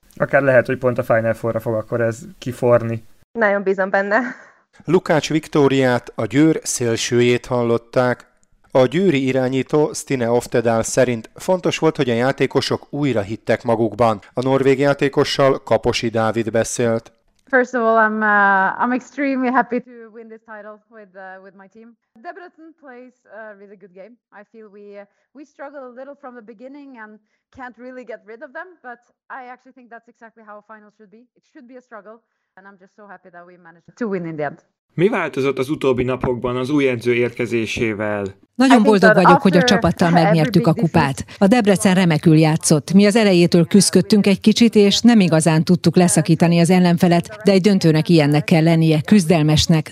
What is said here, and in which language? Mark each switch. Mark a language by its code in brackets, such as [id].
[hu] Akár lehet, hogy pont a Final Four-ra fog akkor ez kiforni. Nagyon bízom benne. Lukács Viktóriát, a Győr szélsőjét hallották. A győri irányító Stine Oftedal szerint fontos volt, hogy a játékosok újra hittek magukban. A norvég játékossal Kaposi Dávid beszélt. [en] First of all, I'm extremely happy to win this title with my team. Debrecen plays a really good game. I feel we struggle a little from the beginning and can't really get rid of them, but I actually think that's exactly how a final should be. It should be a struggle, and I'm just so happy that we managed to win in the end. [hu] Mi változott az utóbbi napokban az új edző érkezésével? Nagyon boldog vagyok, hogy a csapattal megnyertük a kupát. A Debrecen remekül játszott. Mi az elejétől küszködtünk egy kicsit, és nem igazán tudtuk leszakítani az ellenfelet, de egy döntőnek ilyennek kell lennie, küzdelmesnek.